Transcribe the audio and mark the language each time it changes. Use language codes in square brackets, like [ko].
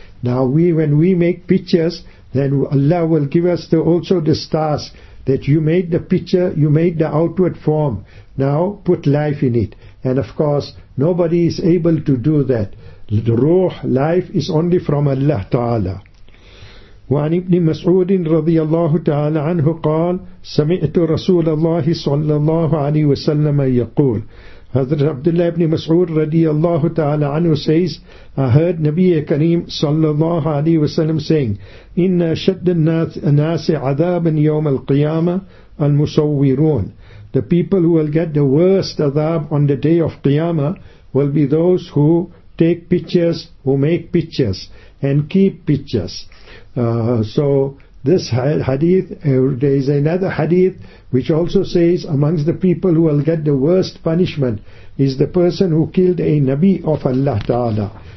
[en] Now when we make pictures, then Allah will give us also the stars that you made the picture, you made the outward form. Now put life in it. And of course, nobody is able to do that. The ruh, life, is only from Allah Ta'ala. [ar] وعن ابن مسعود رضي الله تعالى عنه قال سمعت رسول الله صلى الله عليه وسلم يقول. حضرت عبد الله ابن مسعود رضي الله تعالى عنه [en] says, I heard [ar] نبي كريم صلى الله عليه وسلم [en] saying, [ar] إن شد الناس عذابا يوم القيامة المصورون. [en] The people who will get the worst عذاب on the day of Qiyamah will be those who take pictures, who make pictures and keep pictures. So this hadith, there is another hadith which also says amongst the people who will get the worst punishment is the person who killed a Nabi of Allah Ta'ala.